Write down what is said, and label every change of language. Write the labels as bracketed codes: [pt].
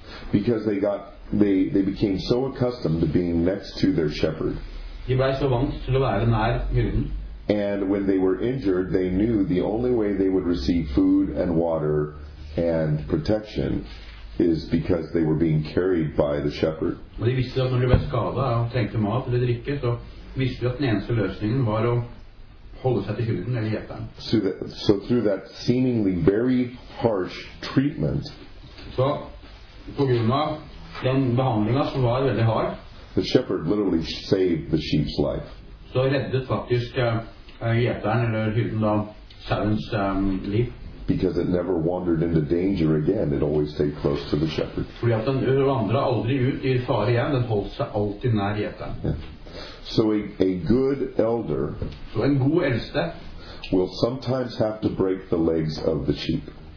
[en] Because they became so accustomed to being next to their shepherd. And when they were injured, they knew the only way they would receive food and water and protection is because they were being carried by the shepherd. [no] Og de visste at når de ble skadet og trengte mat eller drikke, så visste de at den eneste løsningen var å holde seg til hyrden eller gjeteren. [en] So through that seemingly very harsh treatment, [no] så på grunn av den behandlingen som var veldig hard, [en] the shepherd literally saved the sheep's life. [no] Så reddet faktisk gjeteren eller hyrden da sauens liv. [en] Because it never wandered into danger again, it always stayed close to the shepherd. [no] Fordi at den vandret aldri ut i fare igjen, den holdt seg alltid nær gjeteren. [en] So a good elder, [no] så en god eldste, [en] will sometimes have to break the legs of the sheep.